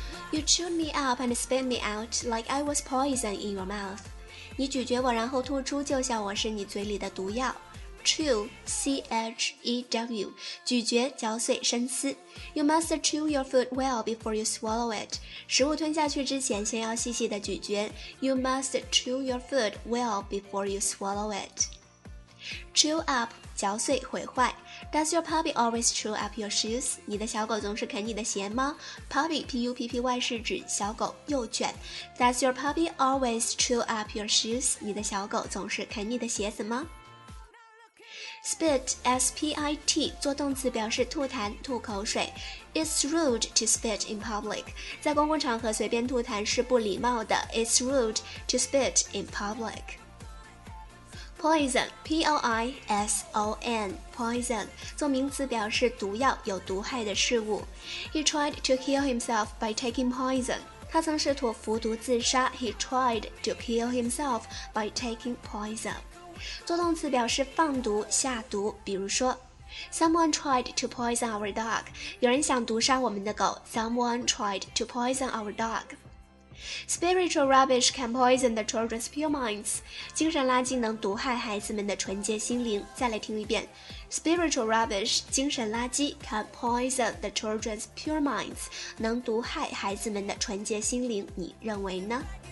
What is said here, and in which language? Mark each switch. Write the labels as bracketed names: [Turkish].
[English] You chewed me up and spit me out like I was poison in your mouth. [Chinese] 你咀嚼我然后吐出就像我是你嘴里的毒药。 Chew, C-H-E-W, 咀嚼、嚼碎、深思。 [English] You must chew your food well before you swallow it. [Chinese] 食物吞下去之前，先要细细的咀嚼。 [English] You must chew your food well before you swallow it. Chew up, [Chinese] 嚼碎、毁坏。 [English] Does your puppy always chew up your shoes? [Chinese] 你的小狗总是啃你的鞋吗 ？Puppy, P-U-P-P-Y 是指小狗、幼犬。 [English] Does your puppy always chew up your shoes? [Chinese] 你的小狗总是啃你的鞋子吗？ Spit, S-P-I-T, 做动词表示吐痰、吐口水。 [English] It's rude to spit in public. [Chinese] 在公共场合随便吐痰是不礼貌的。 [English] It's rude to spit in public. Poison, P-O-I-S-O-N, poison, [Chinese] 做名词表示毒药、有毒害的事物。 [English] He tried to kill himself by taking poison. [Chinese] 他曾试图服毒自杀。 [English] He tried to kill himself by taking poison. [Chinese] 做动词表示放毒、下毒，比如说 [English] Someone tried to poison our dog. [Chinese] 有人想毒杀我们的狗。 [English] Someone tried to poison our dog. Spiritual rubbish can poison the children's pure minds. [Chinese] 精神垃圾能毒害孩子们的纯洁心灵。再来听一遍 [English] Spiritual rubbish, [Chinese] 精神垃圾 [English] can poison the children's pure minds. [Chinese] 能毒害孩子们的纯洁心灵，你认为呢？